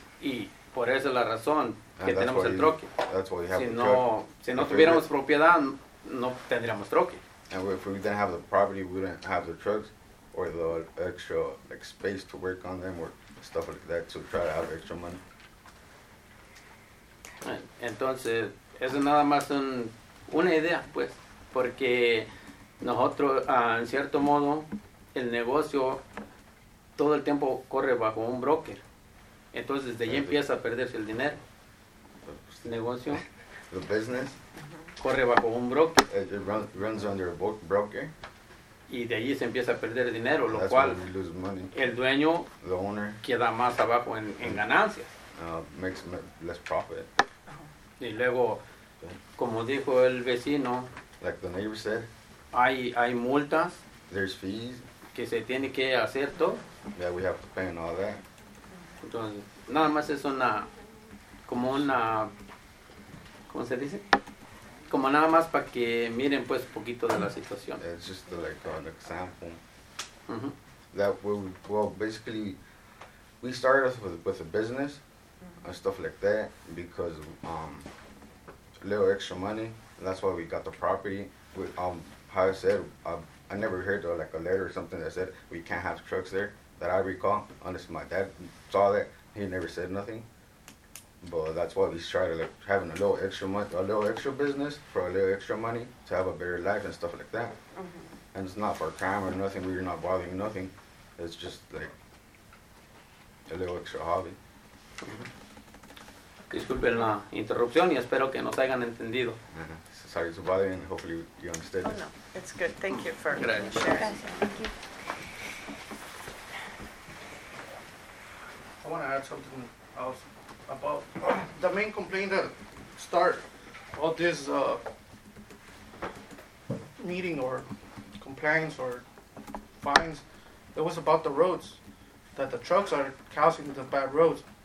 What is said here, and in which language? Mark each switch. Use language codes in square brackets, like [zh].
[es] Y por eso es la razón. Que [en] and [es] tenemos el troque. [en] That's why we have [es] si no, [en] truck. [es] Si no tuviéramos propiedad, no tendríamos troque. [en] And if we didn't have the property, we wouldn't have the trucks or the extra like, space to work on them or stuff like that to try to have extra money. [es] Entonces, eso es nada más una idea, pues. Porque nosotros, en cierto modo, el negocio todo el tiempo corre bajo un broker. Entonces, de ahí empieza a perderse el dinero. Negocio. [en] The business. [es] Corre bajo un broker. [en] It runs under a broker. [es] Y de allí se empieza a perder dinero, lo cual [en] we lose money. [es] El dueño, [en] the owner, [es] queda más abajo en ganancias. [en] Makes less profit. [es] Y luego, como dijo el vecino, [en] like the neighbor said, [es] hay multas. [en] There's fees. [es] Que se tiene que hacer todo. [en] Yeah, we have to pay and all that. [es] Entonces, nada más es una... Como una, ¿cómo se dice? Como nada más para que miren pues un poquito de la situación. [en] It's just like an example. Mm-hmm. Basically, we started with a business and stuff like that because a little extra money. That's why we got the property. How I said, I never heard of like a letter or something that said we can't have trucks there that I recall. Unless my dad saw that, he never said nothing. But that's why we try to like having a little extra money, a little extra business for a little extra money to have a better life and stuff like that. Mm-hmm. And it's not for crime or nothing. We're not bothering nothing. It's just like a little extra hobby. Mm-hmm. [es] Disculpen la interrupción y espero que nos hayan entendido. Uh-huh. [en] Sorry to bother you and hopefully you understand. Oh, no. It's good. Thank you for sharing. [es] Gracias. [en] Thank you. I want to add something else. About the main complaint that started all this meeting or compliance or fines, it was about the roads, that the trucks are causing the bad roads.